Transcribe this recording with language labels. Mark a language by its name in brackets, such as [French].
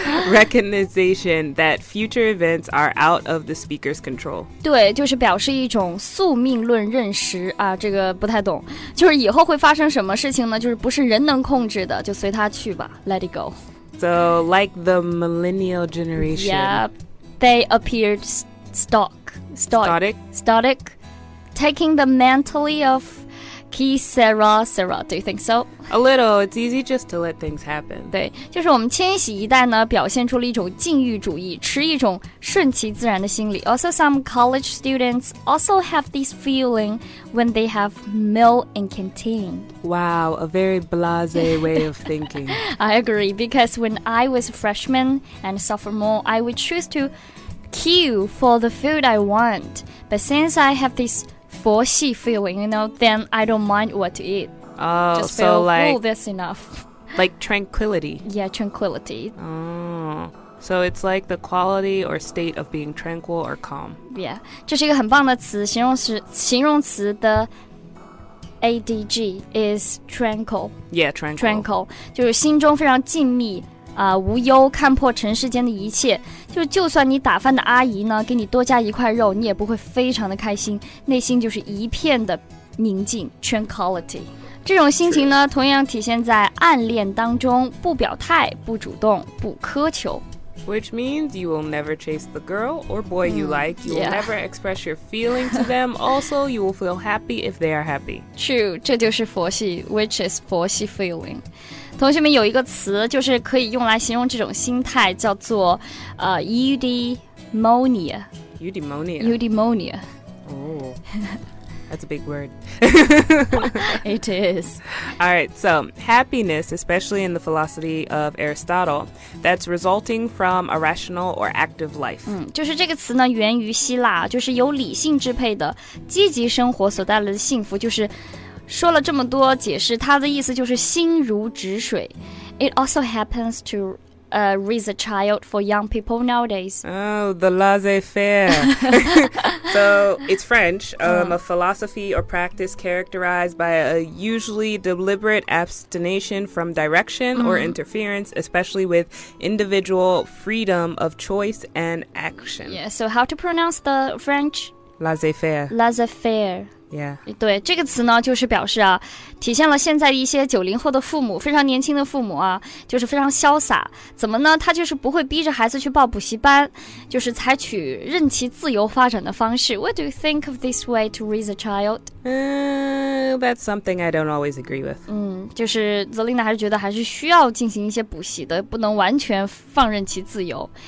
[English] Recognition that future events are out of the speaker's control. [Chinese] 对，就是表示一种宿命论认识啊，这个不太懂。就是以后会发生什么事情呢？就是不是人能控制的，就随他去吧。 [English] Let it go. So, like the millennial generation. Yep. They appeared static, taking the mentally of qui sera sera. Do you think so? A little. It's easy just to let things happen. [Chinese] 对，就是我们千禧一代呢，表现出了一种禁欲主义，持一种顺其自然的心理。 [English] Also, some college students also have this feeling when they have meal in canteen. Wow, a very blasé way of thinking. I agree, because when I was a freshman and sophomore, I would choose to queue for the food I want. But since I have this佛系 feeling, you know, then I don't mind what to eat. Oh, just so feel, like, oh, that's enough. Like tranquility. Yeah, tranquility. Oh, so it's like the quality or state of being tranquil or calm. [Chinese] Yeah, 这是一个很棒的词，形容词的 [English] ADG is tranquil. Yeah, tranquil. [Chinese] Tranquil, 就是心中非常静谧。无忧，看破尘世间的一切，就是就算你打饭的阿姨呢给你多加一块肉，你也不会非常的开心，内心就是一片的宁静 tranquility。这种心情呢同样体现在暗恋当中，不表态，不主动，不苛求。 [English] Which means you will never chase the girl or boy you like. You will never express your feeling to them. Also, you will feel happy if they are happy. [Chinese] True, 这就是佛系 [English] which is [Chinese] 佛系 feeling. 同学们有一个词就是可以用来形容这种心态，叫做eudaimonia. [English] Eudaimonia. Eudaimonia. Oh, that's a big word. It is. All right, so happiness, especially in the philosophy of Aristotle, that's resulting from a rational or active life. [Chinese] 就是这个词呢源于希腊，就是由理性支配的积极生活所带来的幸福，就是说了这么多解释，它的意思就是心如止水。 [English] It also happens to raise a child for young people nowadays. Oh, the laissez-faire. So, it's French, a philosophy or practice characterized by a usually deliberate abstention from direction or interference, especially with individual freedom of choice and action. Yeah, so how to pronounce the French? Laissez-faire. Laissez-faire. Yeah. [Chinese] 对，这个词呢就是表示啊，体现了现在一些90后的父母，非常年轻的父母啊，就是非常潇洒。怎么呢？他就是不会逼着孩子去报补习班，就是采取任其自由发展的方式。 [English] What do you think of this way to raise a child? That's something I don't always agree with. [Chinese] 就是 Zelina 还是觉得还是需要进行一些补习的，不能完全放任其自由。